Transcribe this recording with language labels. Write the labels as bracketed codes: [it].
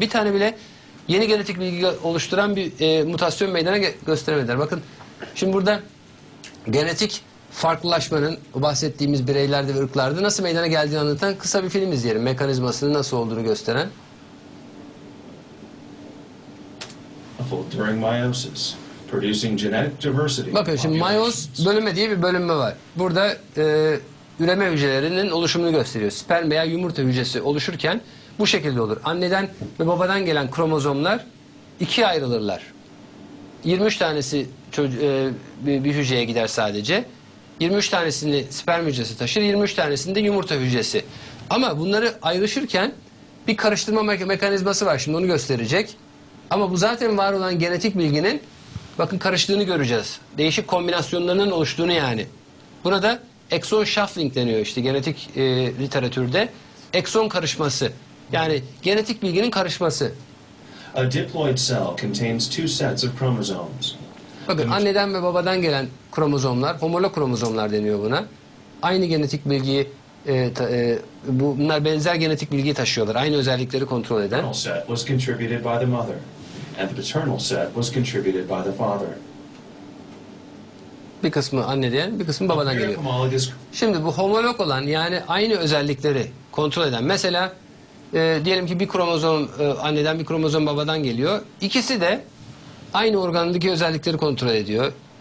[tr] Bir tane bile yeni genetik bilgi oluşturan bir mutasyon meydana gösteremediler. Bakın şimdi burada genetik farklılaşmanın bahsettiğimiz bireylerde ve ırklarda nasıl meydana geldiğini anlatan kısa bir film izleyelim. Mekanizmasının nasıl olduğunu gösteren. [en] During meiosis, producing genetic diversity. [tr] Bakın şimdi meios bölünme diye bir bölünme var. Burada üreme hücrelerinin oluşumunu gösteriyor. Sperm veya yumurta hücresi oluşurken bu şekilde olur. Anneden ve babadan gelen kromozomlar ikiye ayrılırlar. 23 tanesi bir hücreye gider sadece. 23 tanesini sperm hücresi taşır, 23 tanesini de yumurta hücresi. Ama bunları ayrışırken bir karıştırma mekanizması var. Şimdi onu gösterecek. Ama bu zaten var olan genetik bilginin, bakın, karıştığını göreceğiz. Değişik kombinasyonlarının oluştuğunu yani. Buna da exon shuffling deniyor işte genetik literatürde. Exon karışması. Yani genetik bilginin karışması. [en] A diploid cell contains two sets of chromosomes. [tr] Bakın, anneden ve babadan gelen kromozomlar, homolog kromozomlar deniyor buna. Aynı genetik bilgiyi, bunlar benzer genetik bilgiyi taşıyorlar. Aynı özellikleri kontrol eden. [en] The paternal set was contributed by the mother, and the paternal set was contributed by the father. [tr] Bir kısmı anneden, bir kısmı babadan geliyor. Şimdi bu homolog olan, yani aynı özellikleri kontrol eden, mesela diyelim ki bir kromozom anneden, bir kromozom babadan geliyor. İkisi de aynı organındaki özellikleri kontrol ediyor.